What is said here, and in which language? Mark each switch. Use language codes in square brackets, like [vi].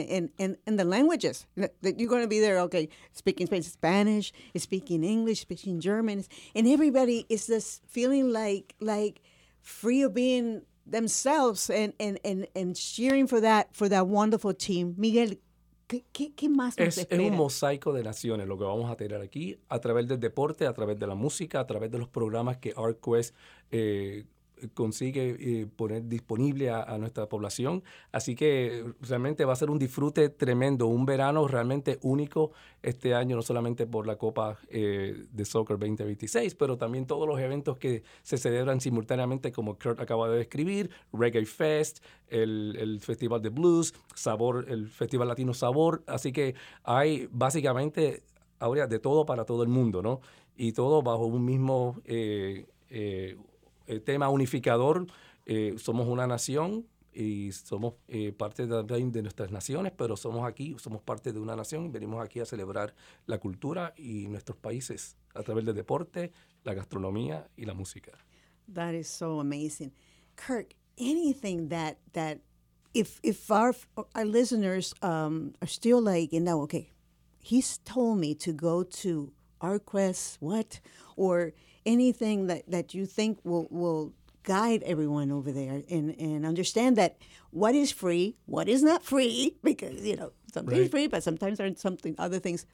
[en] And the languages that you're going to be there, okay, speaking Spanish, speaking English, speaking German. And everybody is just feeling like free of being themselves and cheering for that wonderful team. [es] Miguel, ¿qué más nos espera? Es un mosaico de naciones lo que vamos a tener aquí a través del deporte, a través de la música, a través de los programas que ArtsQuest consigue poner disponible a nuestra población. Así que realmente va a ser un disfrute tremendo, un verano realmente único este año, no solamente por la Copa de Soccer 2026, pero también todos los eventos que se celebran simultáneamente, como Kurt acaba de describir, Reggae Fest, el Festival de Blues, Sabor, el Festival Latino Sabor. Así que hay básicamente ahora de todo para todo el mundo, ¿no? Y todo bajo un mismo el tema unificador, somos una nación y somos parte también de nuestras naciones, pero somos aquí, somos parte de una nación, venimos aquí a celebrar la cultura y nuestros países a través del deporte, la gastronomía y la música. [en] That is so amazing. Kirk, anything that if our listeners are still like, you know, okay, he's told me to go to ArtsQuest, what, or anything that you think will guide everyone over there and understand that what is free, what is not free, because, you know, something right. is free, but sometimes there aren't something other things.